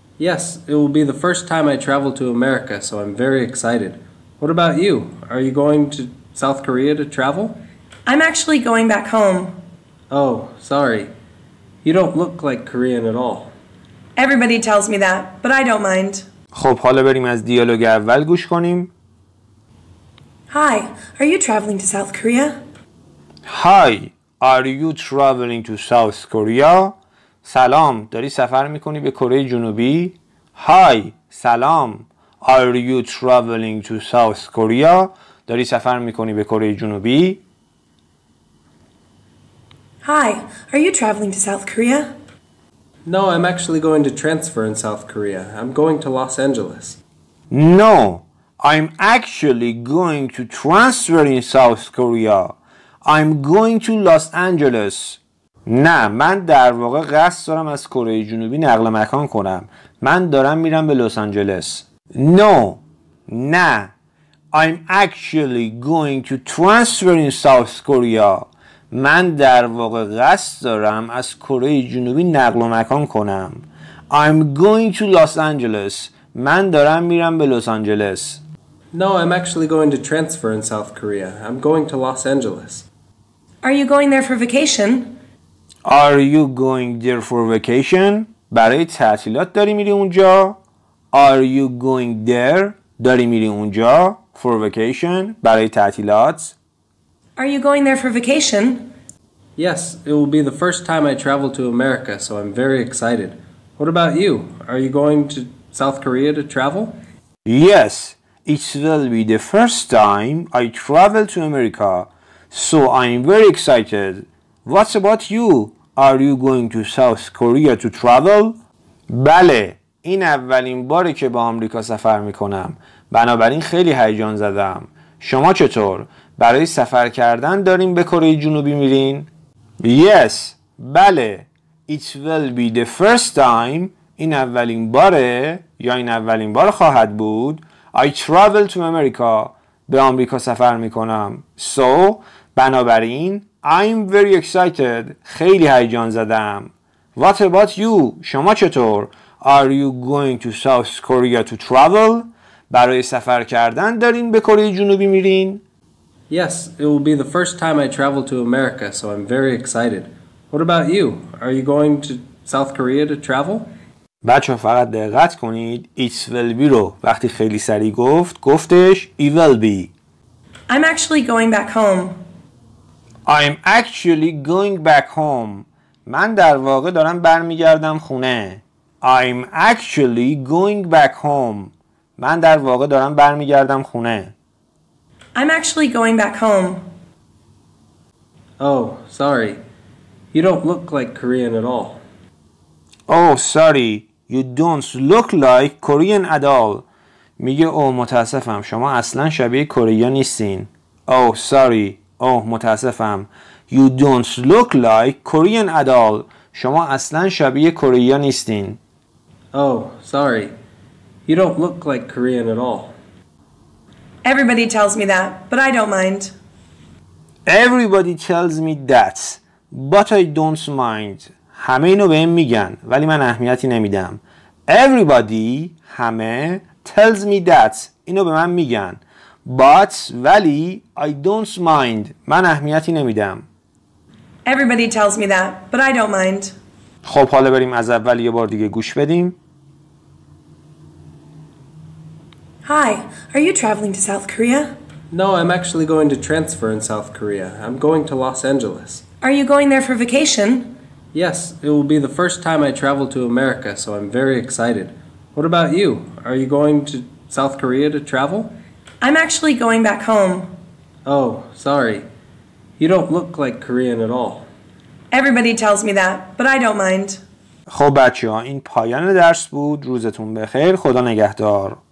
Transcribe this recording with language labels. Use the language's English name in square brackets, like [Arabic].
[English] Yes, it will be the first time I travel to America, so I'm very excited. What about you? Are you going to South Korea to travel? I'm actually going back home. Oh, sorry. You don't look like Korean at all. Everybody tells me that, but I don't mind. [Persian] خب حالا بریم از دیالوگ اول گوش کنیم. [English] Hi, are you traveling to South Korea? Hi, are you traveling to South Korea? [Persian] سلام، داری سفر میکنی به کره جنوبی؟ [English] Hi, [Persian] سلام. [English] Are you traveling to South Korea? [Persian] داری سفر میکنی به کره جنوبی؟ [English] Hi, are you traveling to South Korea? No, I'm actually going to transfer in South Korea. I'm going to Los Angeles. No, I'm actually going to transfer in South Korea. I'm going to Los Angeles. [Persian] نه، من در واقع قصد دارم از کره جنوبی نقل مکان کنم. من دارم میرم به لس آنجلس. [English] No, [Persian] نه. [English] I'm actually going to transfer in South Korea. [Persian] من در واقع قصد دارم از کره جنوبی نقل مکان کنم. [English] I'm going to Los Angeles. [Persian] من دارم میرم به لس آنجلس. [English] No, I'm actually going to transfer in South Korea. I'm going to Los Angeles. Are you going there for vacation? Are you going there for vacation? [Persian] برای تعطیلات داری میری اونجا؟ [English] Are you going there? [Persian] داری میری اونجا [English] for vacation؟ [Persian] برای تعطیلات؟ [English] Are you going there for vacation? Yes, it will be the first time I travel to America, so I'm very excited. What about you? Are you going to South Korea to travel? Yes, it will be the first time I travel to America, so I'm very excited. What about you? Are you going to South Korea to travel? [Persian] بله، این اولین باره که با آمریکا سفر میکنم. بنابراین خیلی هیجان زدم. شما چطور؟ برای سفر کردن داریم به کره جنوبی میرین؟ [English] Yes, [Persian] بله. [English] It will be the first time. [Persian] این اولین باره یا این اولین بار خواهد بود. [English] I travel to America. [Persian] به آمریکا سفر میکنم. [English] So, [Persian] بنابراین [English] I'm very excited. [Persian] خیلی هیجان زدم. [English] What about you? [Persian] شما چطور؟ [English] Are you going to South Korea to travel? [Persian] برای سفر کردن دارین به کره جنوبی میرین؟ [English] Yes, it will be the first time I travel to America, so I'm very excited. What about you? Are you going to South Korea to travel? [Persian] بچه فقط دقت کنید [English] it will be [Persian] رو وقتی خیلی سریع گفت گفتش it will be. [English] I'm actually going back home. I'm actually going back home. [Persian] من در واقع دارم برمیگردم خونه. [English] I'm actually going back home. [Persian] من در واقع دارم برمیگردم خونه. [English] I'm actually going back home. Oh, sorry. You don't look like Korean at all. Oh, sorry. You don't look like Korean at all. [Persian] میگه او متاسفم شما اصلا شبیه کره‌ای نیستین. [English] Oh, sorry. Oh, [Persian] متاسفم. [English] You don't look like Korean at all. [Persian] شما اصلا شبیه کره‌ای نیستین. [English] Oh, sorry. You don't look like Korean at all. Everybody tells me that, but I don't mind. Everybody tells me that, but I don't mind. [Persian] همه اینو بهم میگن ولی من اهمیتی نمیدم. [English] Everybody [Persian] همه [English] tells me that [Persian] اینو به من میگن. [English] But [Persian] ولی [English] I don't mind [Persian] من اهمیتی نمیدم. [English] Everybody tells me that, but I don't mind. [Persian] خب حالا بریم از اول یه بار دیگه گوش بدیم. [English] Hi, are you traveling to South Korea? No, I'm actually going to transfer in South Korea. I'm going to Los Angeles. Are you going there for vacation? Yes, it will be the first time I travel to America, so I'm very excited. What about you? Are you going to South Korea to travel? I'm actually going back home. Oh, sorry. You don't look like Korean at all. Everybody tells me that, but I don't mind. [Persian] خب بچه‌ها این پایان درس بود. روزتون بخیر. خدا نگهدار.